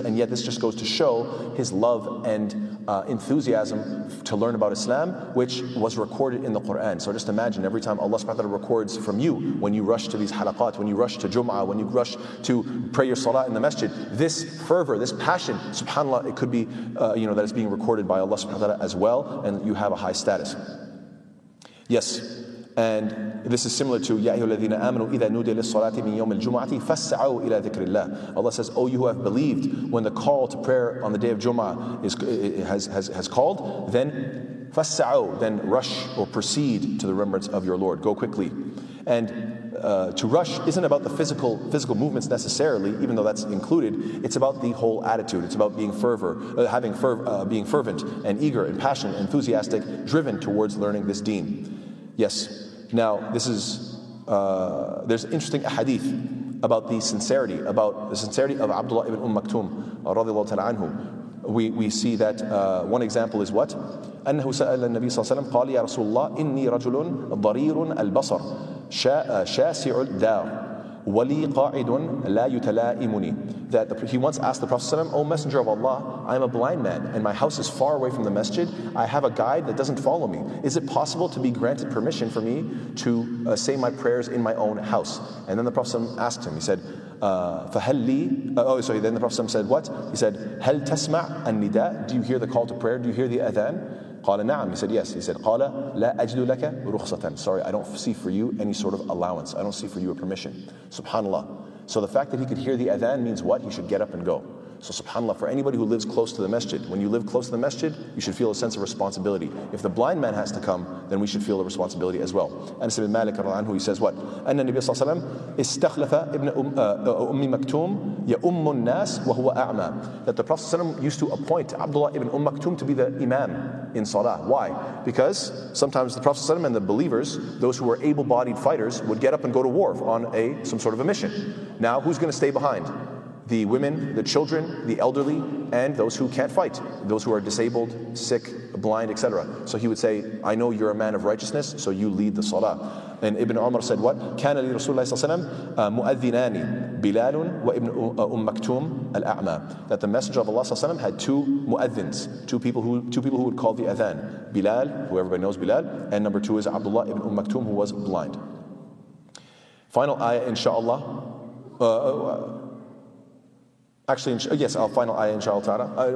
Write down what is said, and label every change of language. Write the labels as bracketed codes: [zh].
[en] And yet this just goes to show his love and enthusiasm to learn about Islam, which was recorded in the Quran. So just imagine every time Allah subhanahu wa ta'ala records from you, when you rush to these halaqat, when you rush to Jum'ah, when you rush to pray your salah in the masjid, this fervor, this passion, subhanAllah, it could be that it's being recorded by Allah subhanahu wa ta'ala as well, and you have a high status. Yes. And this is similar to [ar] يَا أَيُّهَا الَّذِينَ آمَنُوا إِذَا نُودِيَ لِلصَّلَاةِ مِنْ يَوْمِ الْجُمْعَةِ فَاسْعَوْا إِلَىٰ ذِكْرِ اللَّهِ. [en] Allah says, oh, you who have believed, when the call to prayer on the day of Jum'ah has called, then [ar] فَاسْعَوْا, [en] then rush or proceed to the remembrance of your Lord. Go quickly. And to rush isn't about the physical movements necessarily, even though that's included. It's about the whole attitude. It's about being fervent and eager and passionate, enthusiastic, driven towards learning this deen. Yes. Now, this is there's interesting hadith about the sincerity of Abdullah ibn Maktum radiallahu ta'ala anhu. We see that one example is what? [ar] أنه سأل النبي صلى الله عليه وسلم قال يا رسول الله إني رجل ضرير البصر شاسع الدار ولي قاعد لا يتلائمني. [en] That he once asked the Prophet ﷺ, O Messenger of Allah, I am a blind man and my house is far away from the masjid. I have a guide that doesn't follow me. Is it possible to be granted permission for me to say my prayers in my own house? And then the Prophet ﷺ asked him, he said, then the Prophet ﷺ said, what? He said, [ar] هل تسمع النداء? [en] Do you hear the call to prayer? Do you hear the adhan? [ar] قال نعم. [en] He said, yes. He said, [ar] قال لا أجد لك رخصة. [en] Sorry, I don't see for you any sort of allowance. I don't see for you a permission. SubhanAllah. So the fact that he could hear the adhan means what? He should get up and go. So subhanAllah, for anybody who lives close to the masjid, when you live close to the masjid, you should feel a sense of responsibility. If the blind man has to come, then we should feel the responsibility as well. Anas ibn Malik radiallahu anhu, he says what? [ar] أن النبي صلى الله عليه وسلم استخلف ابن أمي مكتوم يأم الناس وهو أعمى. [en] That the Prophet used to appoint Abdullah ibn Maktum to be the imam in salah. Why? Because sometimes the Prophet and the believers, those who were able-bodied fighters, would get up and go to war on some sort of a mission. Now, who's going to stay behind? The women, the children, the elderly, and those who can't fight, those who are disabled, sick, blind, etc. So he would say, I know you're a man of righteousness, so you lead the salah. And Ibn Umar said what? [ar] كان لرسول الله صلى الله عليه وسلم وابن مكتوم الأعمى. [en] That the Messenger of Allah وسلم, had two muadhins, two people who would call the adhan. Bilal, who everybody knows Bilal, and number two is Abdullah ibn Maktum, who was blind. Final ayah, inshaAllah. Our final ayah, inshaAllah ta'ala.